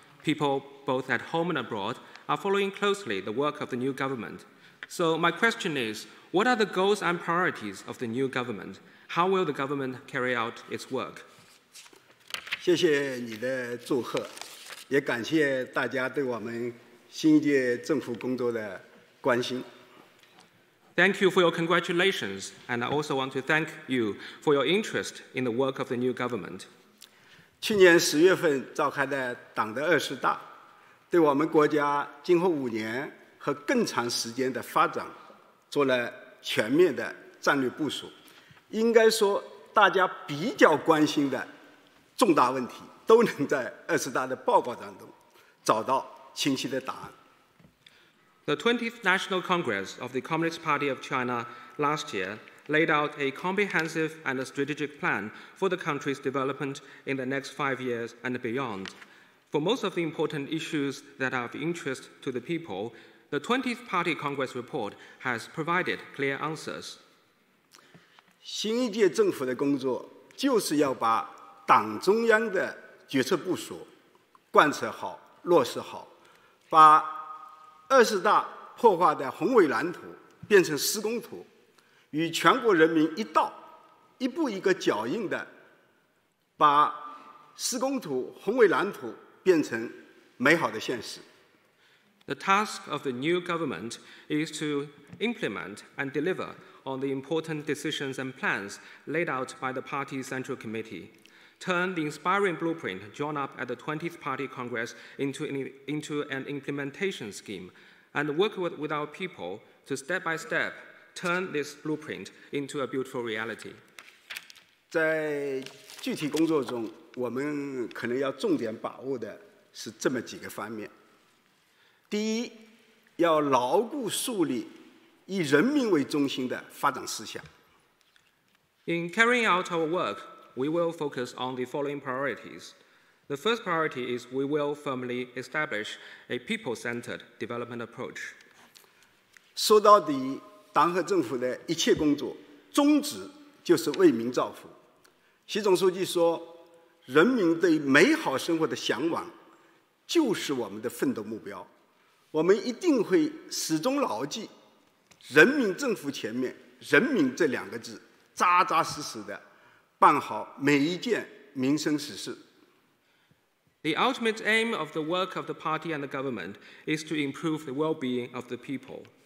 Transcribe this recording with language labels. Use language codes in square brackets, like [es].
[en] People, both at home and abroad, are following closely the work of the new government. So my question is, what are the goals and priorities of the new government? How will the government carry out its work? [zh] 谢谢你的祝贺。也感谢大家对我们新一届政府工作的关心。 [en] Thank you for your congratulations, and I also want to thank you for your interest in the work of the new government. [zh] 去年十月份召开的党的二十大，对我们国家今后五年和更长时间的发展做了全面的战略部署。应该说，大家比较关心的重大问题都能在二十大的报告当中找到清晰的答案。 [en] The 20th National Congress of the Communist Party of China last year laid out a comprehensive and a strategic plan for the country's development in the next 5 years and beyond. For most of the important issues that are of interest to the people, the 20th Party Congress report has provided clear answers. [zh] 新一届政府的工作就是要把党中央的决策部署、贯彻好、落实好，把二十大破坏的宏伟蓝图变成施工图，与全国人民一道，一步一个脚印的把施工图、宏伟蓝图变成美好的现实。 [en] The task of the new government is to implement and deliver on the important decisions and plans laid out by the Party's Central Committee. Turn the inspiring blueprint drawn up at the 20th Party Congress into an implementation scheme, and work with our people to step by step turn this blueprint into a beautiful reality. [zh] 在具体工作中，我们可能要重点把握的是这么几个方面。第一，要牢固树立以人民为中心的发展思想。 [en] In carrying out our work, we will focus on the following priorities. The first priority is we will firmly establish a people-centered development approach. [zh] 说到底，党和政府的一切工作，宗旨就是为民造福。习总书记说，人民对美好生活的向往，就是我们的奋斗目标。我们一定会始终牢记人民政府前面人民这两个字，扎扎实实地办好每一件民生实事。 [en] The ultimate aim of the work of the party and the government is to improve the well-being of the people.